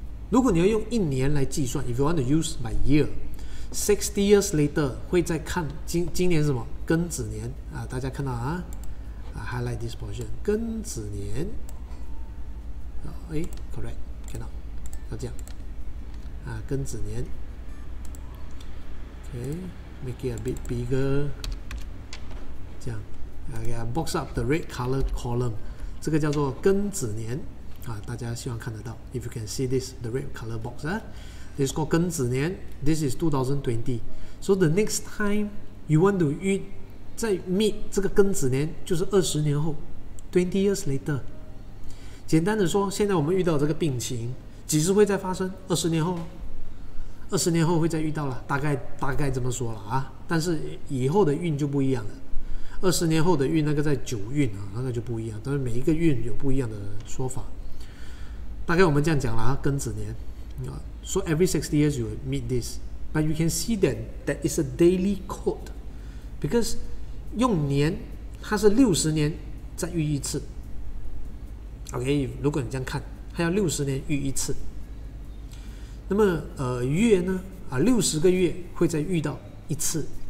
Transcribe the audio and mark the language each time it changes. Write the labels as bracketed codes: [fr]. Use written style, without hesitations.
[zh] 如果你要用一年来计算， [en] if you want to use my year， 60 years later [zh] 会再看 今年是什么庚子年啊，大家看到啊， [en] highlight this portion， [zh] 庚子年，哎， correct， 看到要这样啊，庚子年， OK， [en] make it a bit bigger， [zh] 这样 OK， [en] box up the red color column， [zh] 这个叫做庚子年啊，大家希望看得到。 [en] If you can see this, the red color box, ah, this is called 庚子年。 This is 2020. So the next time you want to meet, 再 meet [zh] 这个庚子年，就是20年后 [en] ，20 years later。 [zh] 简单的说，现在我们遇到这个病情，几时会再发生？ 20年后，20年后会再遇到了，大概这么说了啊。但是以后的运就不一样了。20年后的运，那个在九运啊，那个就不一样。但是每一个运有不一样的说法。大概我们这样讲了啊，庚子年啊， [en] so every 60 years you will meet this, but you can see that that is a daily code, [zh] because 用年它是60年再遇一次。 OK， 如果你这样看，它要60年遇一次。那么月呢啊，60个月会再遇到一次。